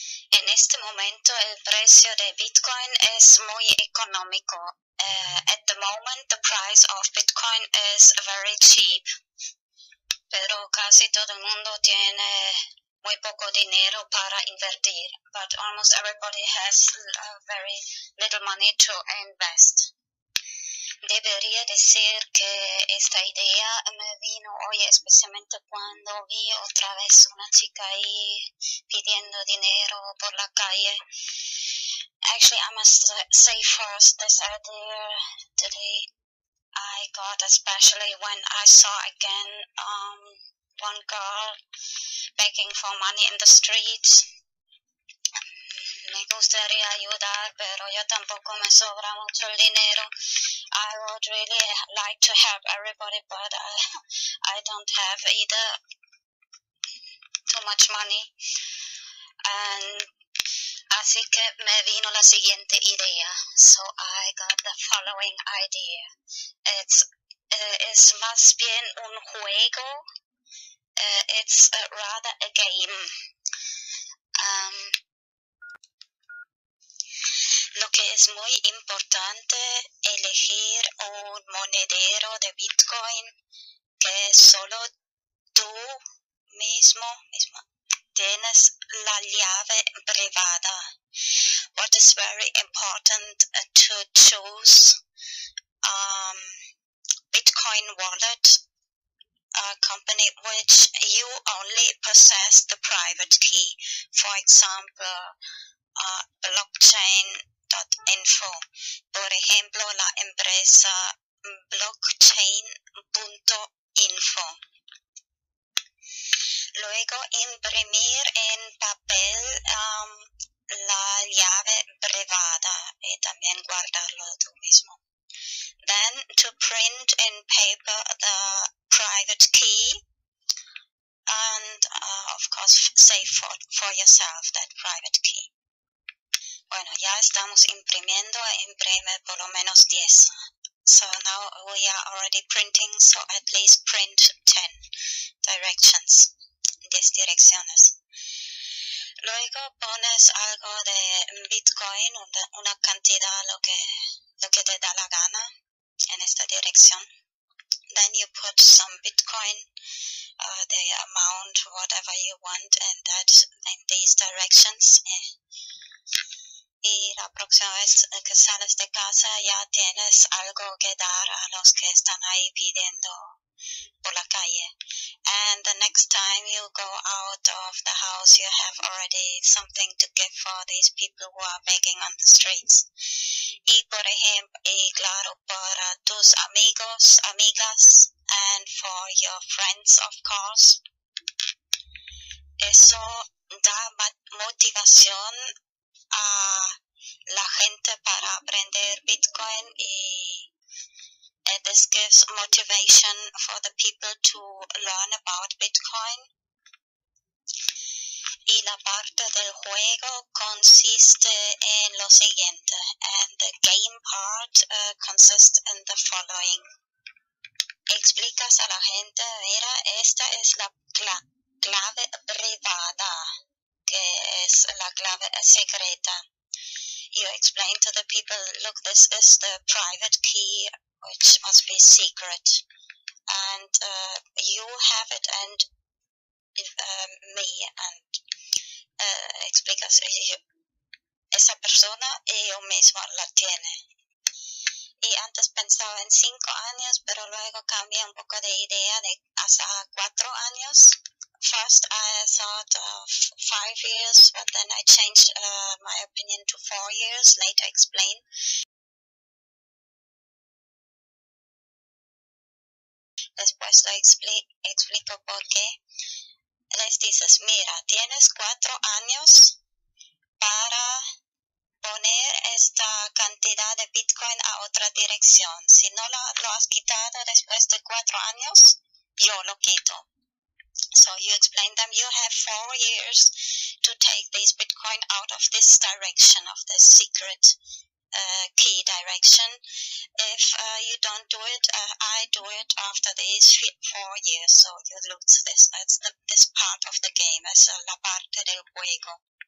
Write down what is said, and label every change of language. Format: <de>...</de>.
<es>En este momento el precio de Bitcoin es muy económico.</es> <en>At the moment the price of Bitcoin is very cheap.</en> <es>Pero casi todo el mundo tiene muy poco dinero para invertir.</es> <en>But almost everybody has very little money to invest.</en> <es>Debería decir que esta idea me vino hoy especialmente cuando vi otra vez una chica ahí pidiendo dinero por la calle.</es> <en>Actually, I must say first this idea today I got, especially when I saw again one girl begging for money in the streets.</en> <es>Me gustaría ayudar, pero yo tampoco me sobra mucho el dinero.</es> <en>I would really like to help everybody, but I don't have either too much money.</en> <es>And así que me vino la siguiente idea.</es> <en>So I got the following idea. It's</en> <es>más bien un juego.</es> <en>It's rather a game.</en> <es>Lo que es muy importante elegir un monedero de Bitcoin que solo tú mismo tienes la llave privada.</es> <en>What is very important to choose Bitcoin wallet, a company which you only possess the private key. For example, blockchain.info.</en> <es>Por ejemplo, la empresa blockchain.info. Luego, imprimir en papel la llave privada y también guardarlo tú mismo.</es> <en>Then, to print in paper the private key and, of course, save for yourself that private key.</en> <es>Bueno, ya estamos imprimiendo, imprime por lo menos 10.</es> <en>So now we are already printing, so at least print 10 directions,</en> <es>10 direcciones. Luego pones algo de Bitcoin, una cantidad, lo que te da la gana en esta dirección.</es> <en>Then you put some Bitcoin, the amount, whatever you want, and that in these directions.</en> <es>Y la próxima vez que sales de casa ya tienes algo que dar a los que están ahí pidiendo por la calle.</es> <en>And the next time you go out of the house, you have already something to give for these people who are begging on the streets.</en> <es>Y por ejemplo, y claro, para tus amigos, amigas,</es> <en>and for your friends, of course.</en> <es>Eso da motivación a la gente para aprender Bitcoin y</es> <en>this gives motivation for the people to learn about Bitcoin.</en> <es>Y la parte del juego consiste en lo siguiente.</es> <en>And the game part consists in the following.</en> <es>Explicas a la gente, mira, esta es la clave privada, que es la clave secreta.</es> <en>You explain to the people, look, this is the private key, which must be secret. And you have it, and me, and</en> <es>explicas, esa persona y yo mismo la tiene. Y antes pensaba en 5 años, pero luego cambié un poco de idea de hasta 4 años.</es> <en>First, I thought of 5 years, but then I changed my opinion to 4 years, later explain.</en> <es>Después lo explico por qué. Les dices, mira, tienes 4 años para poner esta cantidad de Bitcoin a otra dirección. Si no lo has quitado después de 4 años, yo lo quito.</es> <en>So you explain them, you have 4 years to take this Bitcoin out of this direction, of this secret key direction. If you don't do it, I do it after these 4 years, so you lose this. That's this part of the game,</en> <es>es la parte del juego.</es>